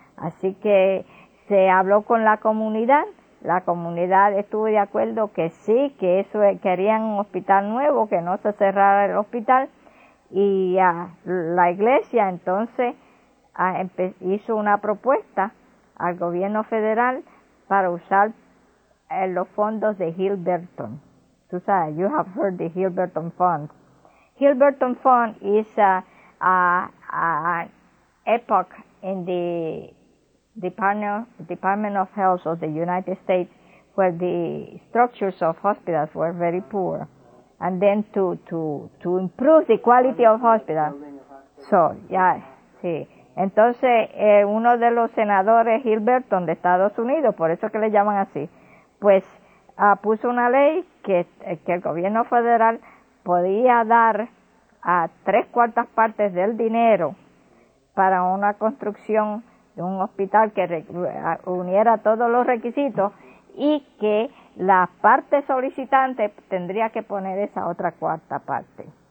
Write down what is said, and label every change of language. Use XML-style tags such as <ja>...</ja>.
<es>Así que se habló con la comunidad estuvo de acuerdo que sí, que eso querían un hospital nuevo, que no se cerrara el hospital, y la iglesia entonces hizo una propuesta al gobierno federal para usar los fondos de Hilberton. Tú sabes,</es> <en>you have heard the Hilberton Fund. Hilberton Fund is an epoch in the Department of Health of the United States, where the structures of hospitals were very poor. And then to improve the quality of hospitals.</en> <es>So, ya, sí. Entonces, uno de los senadores Hilberton de Estados Unidos, por eso que le llaman así, pues puso una ley que el gobierno federal podía dar a tres cuartas partes del dinero para una construcción de un hospital que uniera todos los requisitos y que la parte solicitante tendría que poner esa otra cuarta parte.</es>